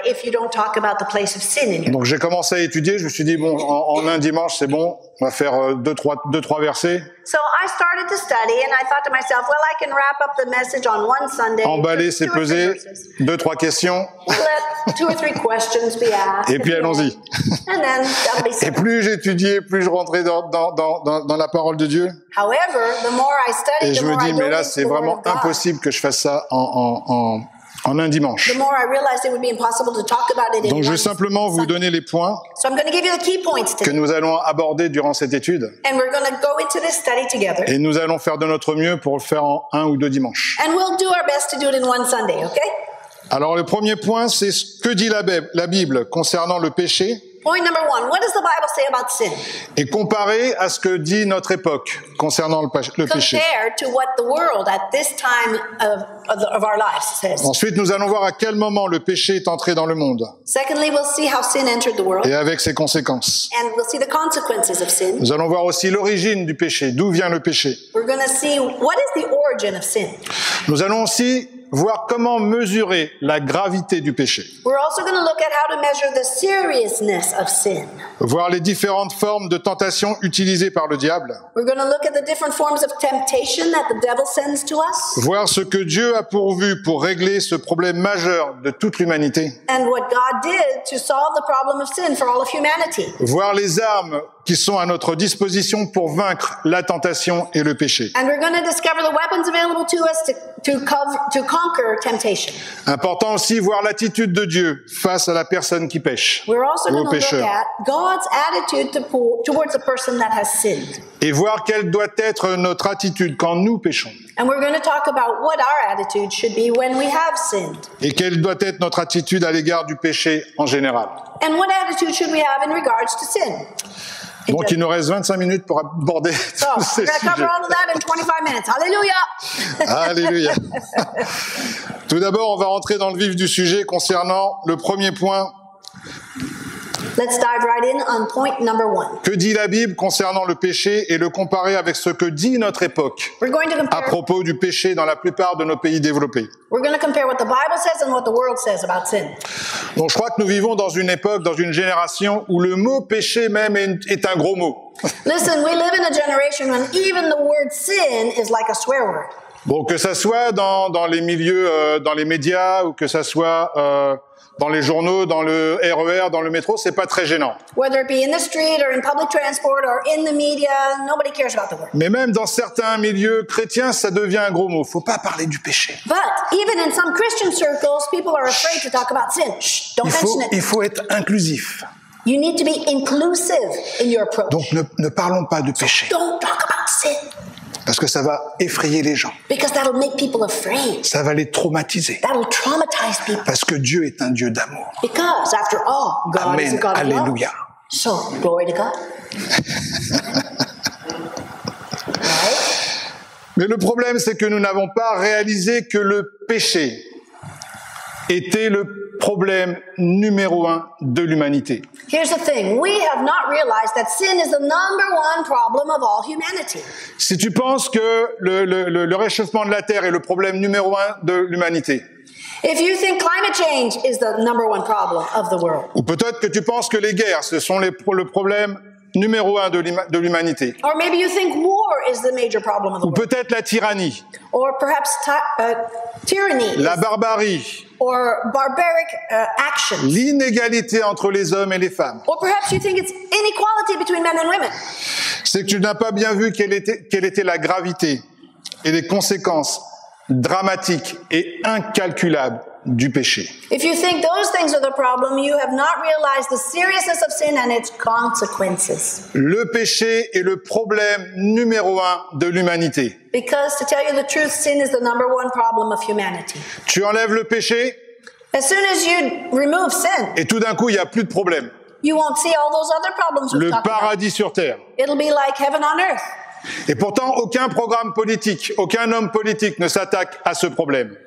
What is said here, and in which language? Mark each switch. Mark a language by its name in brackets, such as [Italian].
[French] Donc j'ai commencé à étudier, je me suis dit, bon, en un dimanche, c'est bon. On va faire deux, trois versets. [English] So I started to study and I thought to myself, well, I can wrap up the message on one Sunday. [French] Emballer, c'est peser. Deux, trois questions. [English] Let two or three questions be asked. [French] Et puis allons-y. [English] And then that'll be so. [French] Et plus j'étudiais, plus je rentrais dans la parole de Dieu. [English] However, the more I studied, [French] et je me dis, mais là, c'est vraiment impossible que je fasse ça en un dimanche. [English] The more I realized it would be impossible to talk about it. [French] Donc je vais simplement vous donner les points, [English] so I'm going to give you the key points today, [French] que nous allons aborder durant cette étude. [English] And we're going to go into this study together. [French] Et nous allons faire de notre mieux pour le faire en un ou deux dimanches. [English] And we'll do our best to do it in one Sunday, okay? [French] Alors le premier point, c'est ce que dit la Bible concernant le péché. [English] Point number one, what does the Bible say about sin? [French] Et comparé à ce que dit notre époque concernant le péché. [English] Compared to what the world at this time of our lives says. [French] Ensuite, nous allons voir à quel moment le péché est entré dans le monde. [English] Secondly, we'll see how sin entered the world. [French] Et avec ses conséquences. [English] And we'll see the consequences of sin. [French] Nous allons voir aussi l'origine du péché, d'où vient le péché. [English] We're going to see what is the origin of sin. [French] Nous allons aussi voir comment mesurer la gravité du péché. [English] We're also going to look at how to measure the seriousness of sin. [French] Voir les différentes formes de tentation utilisées par le diable. [English] We're going to look at the different forms of temptation that the devil sends to us. [French] Voir ce que Dieu a pourvu pour régler ce problème majeur de toute l'humanité. [English] And what God did to solve the problem of sin for all of humanity. [French] Voir les armes qui sont à notre disposition pour vaincre la tentation et le péché. [English] And we're going to discover the weapons available to us to conquer temptation. [French] Important aussi voir l'attitude de Dieu face à la personne qui pêche. [English] We're also going to look at God's attitude towards the person that has sinned. [French] Et voir quelle doit être notre attitude quand nous péchons. [English] And we're going to talk about what our attitude should be when we have sinned. [French] Et quelle doit être notre attitude à l'égard du péché en général. [English] And what attitude should we have in regards to sin? [French] Donc il nous reste 25 minutes pour aborder tous ces sujets. [English] We're going to cover all of that in 25 minutes. Hallelujah! Hallelujah! [French] Tout d'abord, on va rentrer dans le vif du sujet concernant le premier point. [English] Let's dive right in on point number one. [French] Que dit la Bible concernant le péché et le comparer avec ce que dit notre époque à propos du péché dans la plupart de nos pays développés. [English] We're going to compare what the Bible says and what the world says about sin. [French] Donc, je crois que nous vivons dans une époque, dans une génération où le mot péché même est un gros mot. [English] Listen, we live in a generation when even the word sin is like a swear word. [French] Bon, que ça soit dans les milieux, dans les médias, ou que ça soit dans les journaux, dans le RER, dans le métro, c'est pas très gênant. [English] Whether it be in the street or in public transport or in the media, nobody cares about the word. [French] Mais même dans certains milieux chrétiens, ça devient un gros mot. Faut pas parler du péché. [English] But even in some Christian circles, people are afraid to talk about sin. Shh, don't mention it. [French] Il faut être inclusif. [English] You need to be inclusive in your approach. [French] Donc ne parlons pas du péché. [English] So don't talk about sin. [French] Parce que ça va effrayer les gens. [English] Because that'll make people afraid. [French] Ça va les traumatiser. [English] That'll traumatize people. [French] Parce que Dieu est un Dieu d'amour. [English] Because after all, God Amen. Is a God Alléluia. Of love. So, glory to God. Right? [French] Mais le problème, c'est que nous n'avons pas réalisé que le péché était le problème numéro un de l'humanité. [English] Here's the thing, we have not realized that sin is the number one problem of all humanity. [French] Si tu penses que le réchauffement de la Terre est le problème numéro un de l'humanité. [English] If you think climate change is the number one problem of the world. [French] Ou peut-être que tu penses que les guerres ce sont le problème numéro un de l'humanité. [English] Or maybe you think war is the major problem of the world. [French] Ou peut-être la tyrannie. [English] Or perhaps tyranny. [French] La barbarie. [English] Or barbaric actions. [French] L'inégalité entre les hommes et les femmes. [English] Or perhaps you think it's inequality between men and women. [French] C'est que tu n'as pas bien vu quelle était la gravité et les conséquences dramatiques et incalculables du péché. [English] If you think those things are the problem, you have not realized the seriousness of sin and its consequences. [French] Le péché est le problème numéro un de l'humanité. [English] Because to tell you the truth, sin is the number one problem of humanity. [French] Tu enlèves le péché. [English] As soon as you remove sin. [French] Et tout d'un coup, il y a plus de problème. [English] You won't see all those other problems. [French] Le paradis sur terre. [English] It'll be like heaven on earth. [French] Et pourtant, aucun programme politique, aucun homme politique ne s'attaque à ce problème.